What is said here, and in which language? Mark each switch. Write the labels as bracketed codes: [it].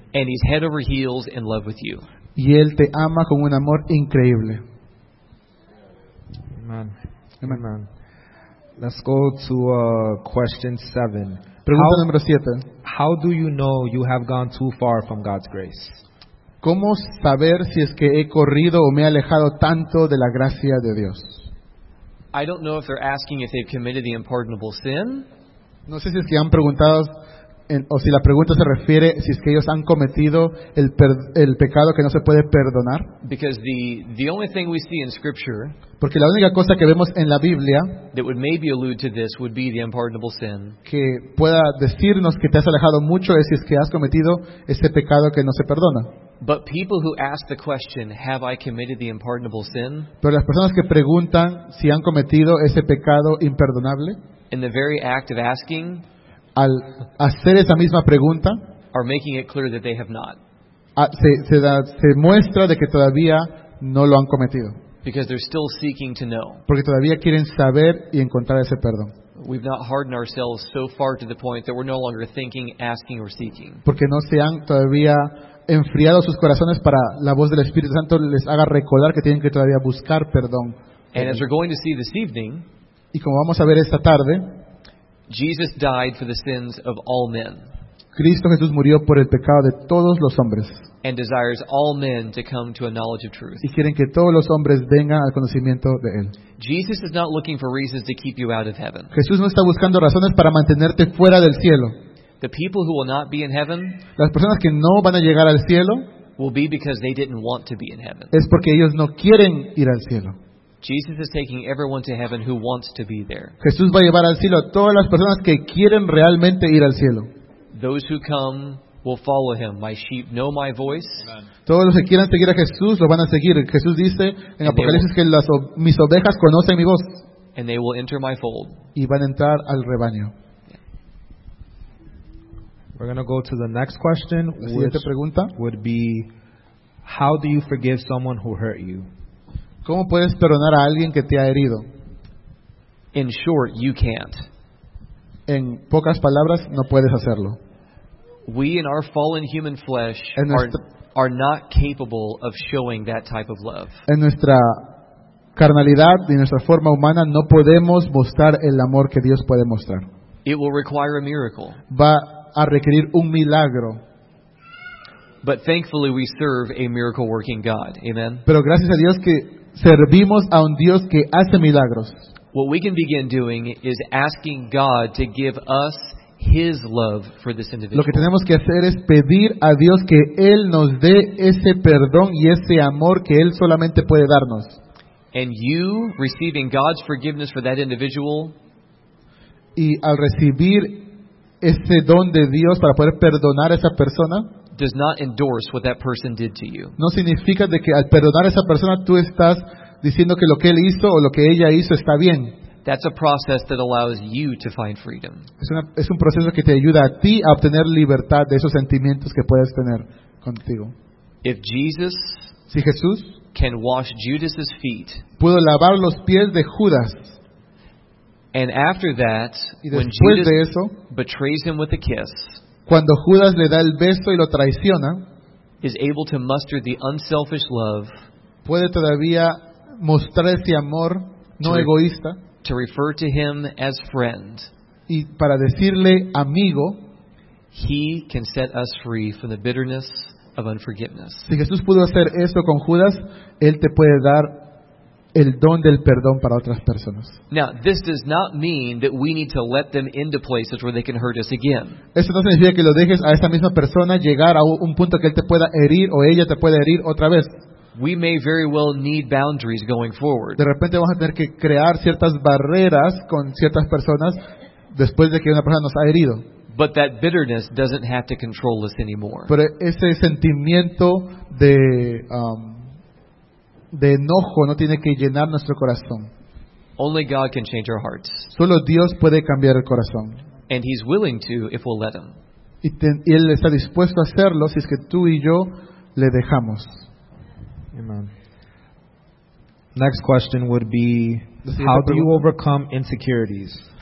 [en] And he's head over heels in love with you. [es] Y Él te ama con un amor increíble. [en] Amen. Amen. Amen. Let's go to question 7. [es] Pregunta número 7. [en] How do you know you have gone too far from God's grace? [es] ¿Cómo saber si es que he corrido o me he alejado tanto de la gracia de Dios? [en] I don't know if they're asking if they've committed the unpardonable sin. [es] No sé si es que han preguntado o si la pregunta se refiere si es que ellos han cometido el pecado que no se puede perdonar. [en] Because the only thing we see in scripture, [es] porque la única cosa que vemos en la Biblia, [en] that would maybe allude to this, would be the unpardonable sin, [es] que pueda decirnos que te has alejado mucho es si es que has cometido ese pecado que no se perdona. [en] But people who ask the question, have I committed the unpardonable sin? [es] Pero las personas que preguntan si han cometido ese pecado imperdonable, [en] in the very act of asking, [es] al hacer esa misma pregunta, [en] are making it clear that they have not. [es] Se muestra de que todavía no lo han cometido. [en] Because they're still seeking to know. [es] Porque todavía quieren saber y encontrar ese perdón. [en] We've not hardened ourselves so far to the point that we're no longer thinking, asking, or seeking. [es] Porque no se han todavía enfriado sus corazones para la voz del Espíritu Santo les haga recordar que tienen que todavía buscar perdón. [en] And as we're going to see this evening, [es] y como vamos a ver esta tarde, [en] Jesus died for the sins of all men. [es] Cristo Jesús murió por el pecado de todos los hombres. [en] And desires all men to come to a knowledge of truth. [es] Y quieren que todos los hombres vengan al conocimiento de él. [en] Jesus is not looking for reasons to keep you out of heaven. [es] Jesús no está buscando razones para mantenerte fuera del cielo. [en] The people who will not be in heaven, [es] las personas que no van a llegar al cielo, [en] will be because they didn't want to be in heaven. [es] Es porque ellos no quieren ir al cielo. [en] Jesus is taking everyone to heaven who wants to be there. [es] Jesús va a llevar al cielo a todas las personas que quieren realmente ir al cielo. [en] Those who come will follow him. My sheep know my voice. Amen. [es] Todos los que quieran seguir a Jesús lo van a seguir. Jesús dice en and Apocalipsis will, que mis ovejas conocen mi voz. [en] And they will enter my fold. [es] Y van a entrar al rebaño. [en] We're going to go to the next question. [es] La siguiente pregunta [en] would be, how do you forgive someone who hurt you? [es] ¿Cómo puedes perdonar a alguien que te ha herido? [en] In short, you can't. [es] En pocas palabras, no puedes hacerlo. [en] We in our fallen human flesh are not capable of showing that type of love. [es] En nuestra carnalidad y nuestra forma humana no podemos mostrar el amor que Dios puede mostrar. [en] It will require a miracle. [es] Va a requerir un milagro. [en] But thankfully we serve a miracle working God. Amen. [es] Pero gracias a Dios que servimos a un Dios que hace milagros. [en] What we can begin doing is asking God to give us His love for this individual. [es] Lo que tenemos que hacer es pedir a Dios que Él nos dé ese perdón y ese amor que Él solamente puede darnos. [en] And you receiving God's forgiveness for that individual. [es] Y al recibir ese don de Dios para poder perdonar a esa persona. [en] Does not endorse what that person did to you. [es] No significa de que al perdonar a esa persona tú estás diciendo que lo que él hizo o lo que ella hizo está bien. [en] That's a process that allows you to find freedom. [es] Es un proceso que te ayuda a ti a obtener libertad de esos sentimientos que puedes tener contigo. [en] If Jesus, [es] si Jesús, [en] can wash Judas's feet, [es] pudo lavar los pies de Judas. [en] And after that, [es] y después [en] when [es] de eso, [en] betrays him with a kiss, [es] cuando Judas le da el beso y lo traiciona, [en] is able to muster the unselfish love, [es] puede todavía mostrar ese amor no egoísta. [en] To refer to him as friend, [es] y para decirle amigo, [en] he can set us free from the bitterness of unforgiveness. [es] Si Jesús pudo hacer esto con Judas, él te puede dar el don del perdón para otras personas. [en] Now, this does not mean that we need to let them into places where they can hurt us again. [es] Esto no significa que lo dejes a esa misma persona llegar a un punto que él te pueda herir o ella te pueda herir otra vez. [en] We may very well need boundaries going forward. [es] De repente vamos a tener que crear ciertas barreras con ciertas personas después de que una persona nos ha herido. [en] But that bitterness doesn't have to control us anymore. [es] Pero ese sentimiento de enojo no tiene que llenar nuestro corazón. [en] Only God can change our hearts. [es] Solo Dios puede cambiar el corazón. [en] And he's willing to if we'll let him. [es] Y él está dispuesto a hacerlo si es que tú y yo le dejamos. [en] Amen. Next question would be, how do you overcome insecurities?